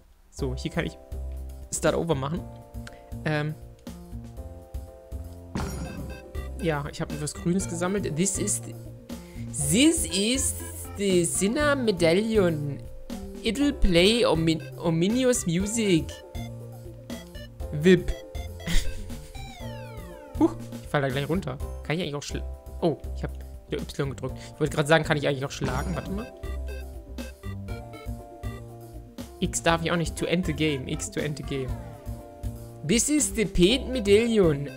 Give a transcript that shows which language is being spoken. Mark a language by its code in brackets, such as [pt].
[de] So, hier kann ich Start Over machen. Ja, ich habe etwas Grünes gesammelt. [en] This is the Cinna Medallion. It'll play ominous music. Wip. [de] Huch, ich falle da gleich runter. Kann ich eigentlich auch Oh, ich habe Y gedrückt. Ich wollte gerade sagen, kann ich eigentlich auch schlagen? Warte mal. X darf ich auch nicht. [en] To end the game. X to end the game. This is the paint medallion.